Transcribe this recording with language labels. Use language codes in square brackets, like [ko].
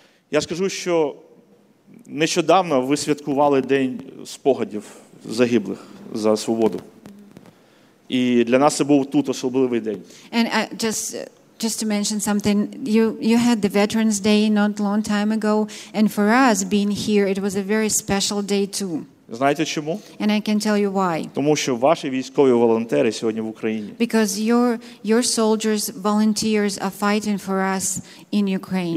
[uk] Я скажу, що нещодавно ви святкували День спогадів загиблих за свободу. І для нас це був тут особливий день. [en] And just to mention something, you had the Veterans Day not long time ago, and for us being here, it was a very special day too. [uk] Знаєте чому? [en] And I can tell you why. [uk] Тому що ваші військові волонтери сьогодні в Україні. [en] Because your soldiers, volunteers are fighting for us in Ukraine.